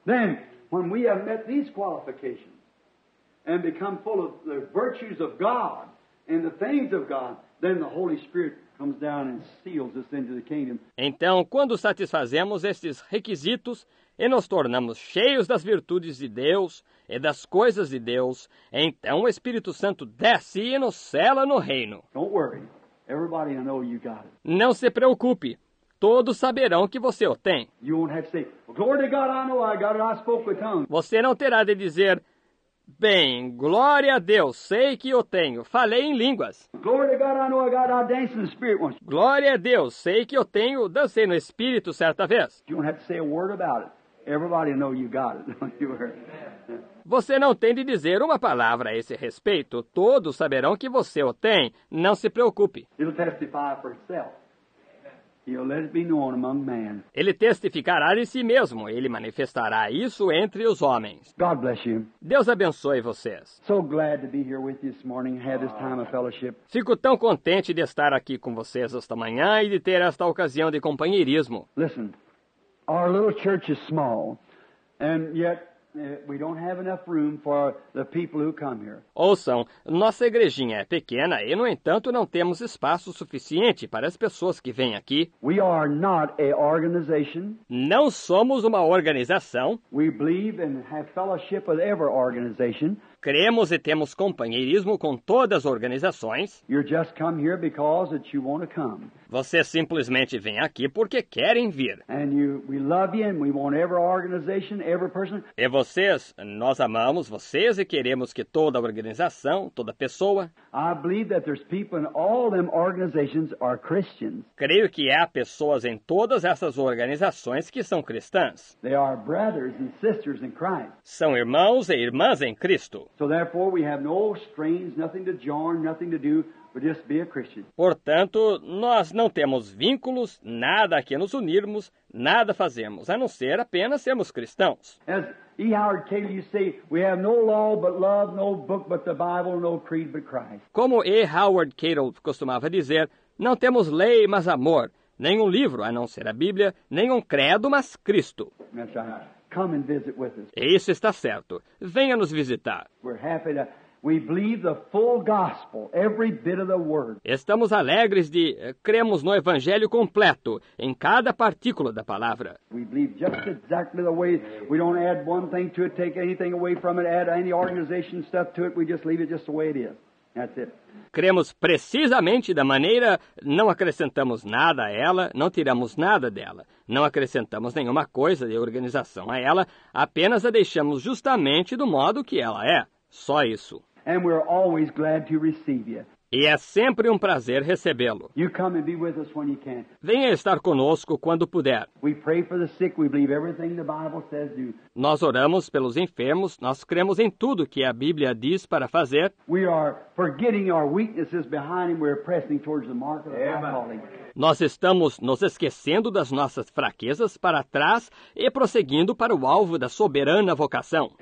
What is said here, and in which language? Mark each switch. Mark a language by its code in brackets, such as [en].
[en] Then, when we have met these qualifications and become full of the virtues of God and the things of God, then the Holy Spirit comes down and seals us into the kingdom. [pt] Então, quando satisfazemos estes requisitos e nos tornamos cheios das virtudes de Deus e das coisas de Deus, então o Espírito Santo desce e nos sela no reino. [en] Don't worry. Everybody will know you got it. [pt] Não se preocupe. Todos saberão que você o tem. [en] You won't have to say, well, glory to God, I know I got it. I spoke with tongues. [pt] Você não terá de dizer, bem, glória a Deus, sei que eu tenho. Falei em línguas. [en] Glory to God, I know I got it. I danced in the Spirit once. [pt] Glória a Deus, sei que eu tenho. Dancei no Espírito certa vez. [en] You won't have to say a word about it. Everybody will know you got it. Don't you worry. [pt] Você não tem de dizer uma palavra a esse respeito. Todos saberão que você o tem. Não se preocupe. [en] It'll testify for itself. He'll let it be known among man. [pt] Ele testificará de si mesmo. Ele manifestará isso entre os homens. [en] God bless you. [pt] Deus abençoe vocês. [en] So glad to be here with you this morning and have this time of fellowship. [pt] Fico tão contente de estar aqui com vocês esta manhã e de ter esta ocasião de companheirismo. [en] Listen, our little church is small, and yet We don't have enough room for the people who come here. [pt] Ouçam, nossa igrejinha é pequena e, no entanto, não temos espaço suficiente para as pessoas que vêm aqui. [en] We are not a organization. [pt] Não somos uma organização. [en] We believe and have fellowship with every organization. [pt] Cremos e temos companheirismo com todas as organizações. [en] You just come here because that you want to come. [pt] Você simplesmente vem aqui porque querem vir. [en] And you, we love you and we want every organization, every person. [pt] E vocês, nós amamos vocês e queremos que toda a organização, toda pessoa. [en] I believe that there's people in all them organizations are Christians. [pt] Creio que há pessoas em todas essas organizações que são cristãs. [en] They are brothers and sisters in Christ. [pt] São irmãos e irmãs em Cristo. [en] So therefore we have no strings, nothing to join, nothing to do, but just be a Christian. [pt] Portanto, nós não temos vínculos, nada a que nos unirmos, nada fazemos, a não ser apenas sermos cristãos. [en] As E. Howard Taylor you say, we have no law but love, no book but the Bible, no creed but Christ. [pt] Como E. Howard Taylor costumava dizer, não temos lei, mas amor, nenhum livro a não ser a Bíblia, nenhum credo, mas Cristo. [en] That's right. Come and visit with us. [pt] Isso está certo. Venha nos visitar. [en] We're happy to, we believe the full gospel, every bit of the word. [pt] Estamos alegres de cremos no evangelho completo, em cada partícula da palavra. [en] We believe just exactly the way. We don't add one thing to it, take anything away from it, add any organization stuff to it. We just leave it just the way it is. That's it. [pt] Cremos precisamente da maneira, não acrescentamos nada a ela, não tiramos nada dela. Não acrescentamos nenhuma coisa de organização a ela, apenas a deixamos justamente do modo que ela é. Só isso. [en] And we're always glad to receive you. [pt] E é sempre um prazer recebê-lo. [en] You come and be with us when you can. [pt] Venha estar conosco quando puder. [en] We pray for the sick. We believe everything the Bible says to. [pt] Nós oramos pelos enfermos. Nós cremos em tudo que a Bíblia diz para fazer. [en] We are forgetting our weaknesses behind and we're pressing towards the mark of our calling. [pt] Nós estamos nos esquecendo das nossas fraquezas para trás e prosseguindo para o alvo da soberana vocação.